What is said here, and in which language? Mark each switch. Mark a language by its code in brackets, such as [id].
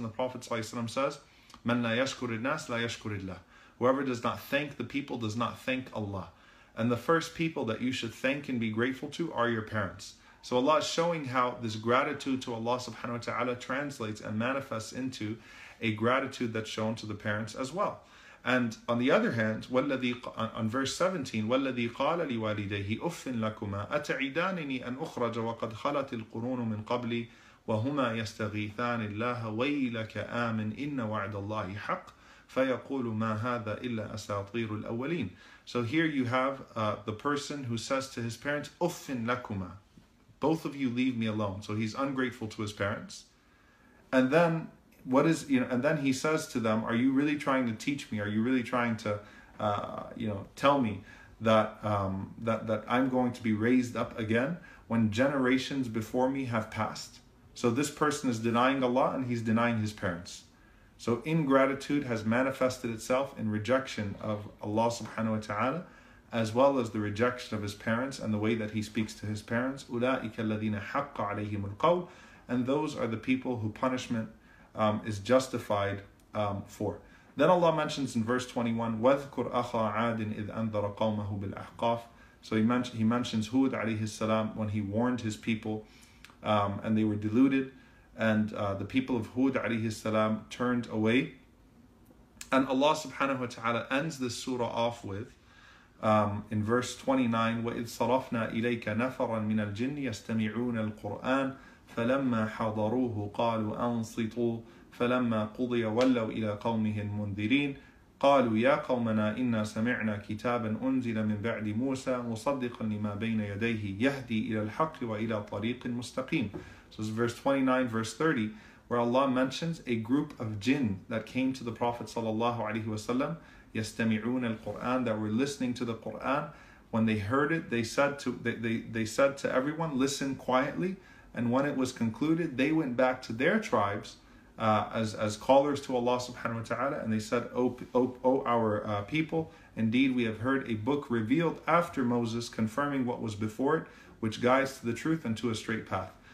[en] And the Prophet ﷺ says, [ar] "Man la yashkur al-nas la yashkur illah." [en] Whoever does not thank the people does not thank Allah. And the first people that you should thank and be grateful to are your parents. So Allah is showing how this gratitude to Allah subhanahu wa ta'ala translates and manifests into a gratitude that's shown to the parents as well. And on the other hand, on verse 17, [ar] وَالَّذِي قَالَ لِوَالِدَيْهِ أُفٍّ لَكُمَا أَتَعِدَانِنِي أَنْ أُخْرَجَ وَقَدْ خَلَتِ الْقُرُونُ مِنْ قَبْلِي وَهُمَا يَسْتَغِيثَانِ اللَّهَ وَيْلَكَ آمِنْ إِنَّ وَعْدَ اللَّهِ حَقٍّ فَيَقُولُ مَا هَذَا إِلَّا أَسَاطِيرُ الْأَوَّلِينَ. [en] So here you have the person who says to his parents, [ar] أُفٍّ لَكُمَا, [en] both of you leave me alone. So he's ungrateful to his parents. And then then he says to them, are you really trying to teach me? Are you really trying to tell me that that I'm going to be raised up again when generations before me have passed? So this person is denying Allah and he's denying his parents. So ingratitude has manifested itself in rejection of Allah subhanahu wa ta'ala, as well as the rejection of his parents and the way that he speaks to his parents. [ar] أُولَٰئِكَ الَّذِينَ حَقَّ عَلَيْهِمُ الْقَوْلِ. [en] And those are the people who punishment is justified for. Then Allah mentions in verse 21, [ar] وَذْكُرْ أَخَى عَادٍ إِذْ أَنْذَرَ قَوْمَهُ بِالْأَحْقَافِ. [en] So he mentions Hud alayhi salam when he warned his people and they were deluded. And the people of Hud alayhi salam turned away. And Allah subhanahu wa ta'ala ends this surah off with, in verse 29, [ar] وَإِذْ صَرَفْنَا إِلَيْكَ نَفَرًا مِنَ الْجِنِّ يَسْتَمِعُونَ الْقُرْآنَ فَلَمَّا حَضَرُوهُ قَالُوا أَنْصِتُوا فَلَمَّا قُضِيَ وَلَّوْا إِلَىٰ قَوْمِهِمْ مُنذِرِينَ قَالُوا يَا قَوْمَنَا إِنَّا سَمِعْنَا كِتَابًا أُنزِلَ مِنْ بَعْدِ مُوسَى مُصَدِّقًا لِمَا بَيْنَ يَدَيْهِ يَهْدِي إِلَىٰ الْحَقِّ وَإِلَىٰ طَرِيقٍ مُسْتَقِيمٍ [en] So this is verse 29, verse 30, where Allah mentions a group of jinn that came to the Prophet sallallahu alaihi wasallam, [ar] يَسْتَمِعُونَ الْقُرْآنَ, [en] that were listening to the Qur'an. When they heard it, they said to everyone, listen quietly. And when it was concluded, they went back to their tribes as callers to Allah subhanahu wa ta'ala, and they said, O our people, indeed we have heard a book revealed after Moses confirming what was before it, which guides to the truth and to a straight path.